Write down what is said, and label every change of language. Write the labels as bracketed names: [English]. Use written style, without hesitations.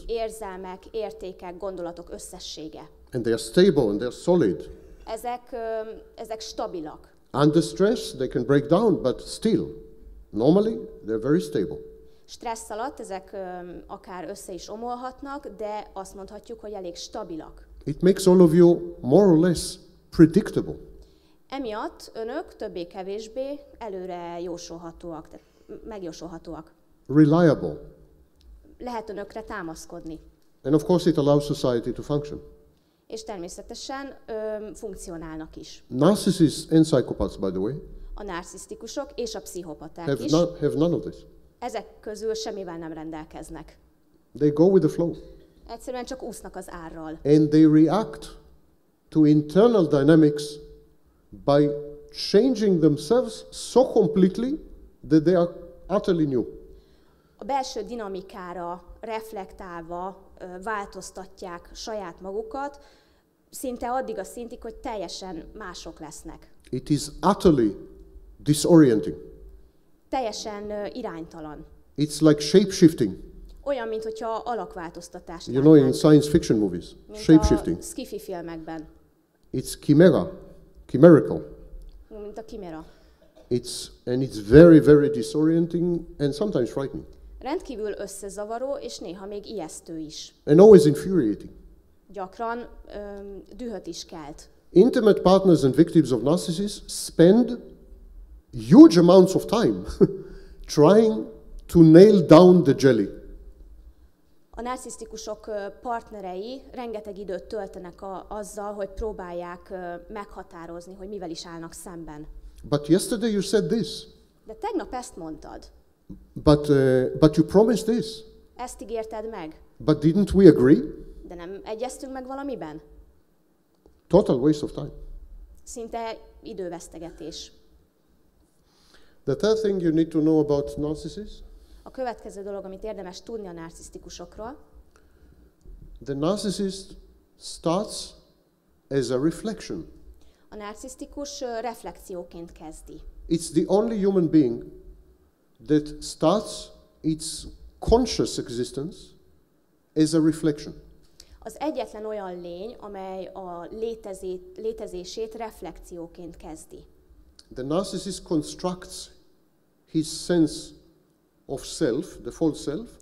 [Hungarian] Érzelmek, értékek, gondolatok összessége. [English] And they are stable and they are solid. [Hungarian] Ezek stabilak. [English] Under stress they can break down, but still, normally they're very stable. [Hungarian] Stressz alatt ezek akár össze is omolhatnak, de azt mondhatjuk, hogy elég stabilak. [English] It makes all of you more or less predictable. [Hungarian] Emiatt önök többé-kevésbé előre jósolhatóak, megjósolhatóak. [English] Reliable. [Hungarian] Lehet önökre támaszkodni. [English] And of course it allows society to function. [Hungarian] És természetesen funkcionálnak is. [English] Narcissists and psychopaths, by the way. [Hungarian] A narcisztikusok és a pszichopaták [English] have [Hungarian] is. [English] Have none of this. [Hungarian] Ezek közül semmivel nem rendelkeznek. [English] They go with the flow. [Hungarian] Egyszerűen csak úsznak az árral. [English] And they react to internal dynamics by changing themselves so completely that they are utterly new. [Hungarian] A belső dinamikára reflektálva változtatják saját magukat, szinte addig a szintig, hogy teljesen mások lesznek. [English] It is utterly disorienting. [Hungarian] Teljesen iránytalan. [English] It's like shape-shifting. [Hungarian] Olyan, mint hogyha alakváltoztatást látnánk. [English] You know, in science fiction movies, shape-shifting. [Hungarian] Mint a sci-fi filmekben. [English] It's chimera, chimerical. [Hungarian] Mint a chimera. [English] It's very, very disorienting and sometimes frightening. [Hungarian] Rendkívül összezavaró és néha még ijesztő is. [English] And always infuriating. [Hungarian] Gyakran dühöt is kelt. [English] Intimate partners and victims of narcissists spend huge amounts of time trying to nail down the jelly. [Hungarian] A narcisztikusok partnerei rengeteg időt töltenek azzal, hogy próbálják meghatározni, hogy mivel is állnak szemben. [English] But yesterday you said this. [Hungarian] De tegnap ezt mondtad. [English] But you promised this. [Hungarian] Ezt ígérted meg. [English] But didn't we agree? [Hungarian] De nem egyeztünk meg valamiben? [English] Total waste of time. [Hungarian] Szinte idővesztegetés. [English] The third thing you need to know about narcissists. [Hungarian] A következő dolog, amit érdemes tudni a narcisztikusokról. [English] The narcissist starts as a reflection. [Hungarian] A narcisztikus reflexióként kezdi. [English] It's the only human being that starts its conscious existence as a reflection. [Hungarian] Az egyetlen olyan lény, amely a létezését reflexióként kezdi. [English] The narcissist constructs his sense of self, the false self.